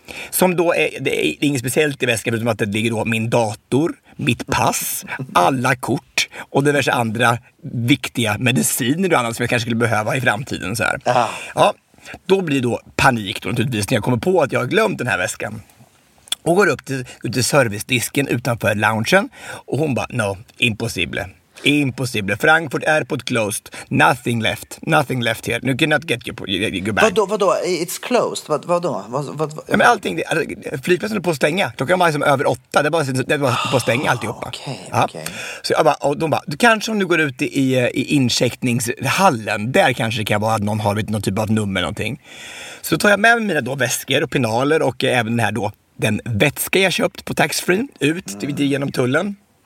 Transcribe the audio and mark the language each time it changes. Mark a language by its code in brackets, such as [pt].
[sv] Som då är, det är inget speciellt i väskan förutom att det ligger då min dator, mitt pass, alla kort och diverse andra viktiga mediciner och annat som jag kanske skulle behöva i framtiden. Så här. Ja, då blir då panik då naturligtvis när jag kommer på att jag har glömt den här väskan. Och går upp till servicedisken utanför loungen och hon bara, [en] no, impossible. Impossible. Frankfurt Airport closed. Nothing left. Nothing left here. You cannot get your bag. [sv] Vadå? [en] It's closed. [sv] Vadå? Men allting, flygplatsen är på att stänga. Klockan var liksom över 8. Det var på att stänga alltihopa. Okej. Så jag bara, och de bara, kanske om du går ut i incheckningshallen. Där kanske det kan vara att någon har någon typ av nummer någonting. Så tar jag med mina då väskor och penaler och även den här då, den vätska jag köpt på taxfree ut genom tullen.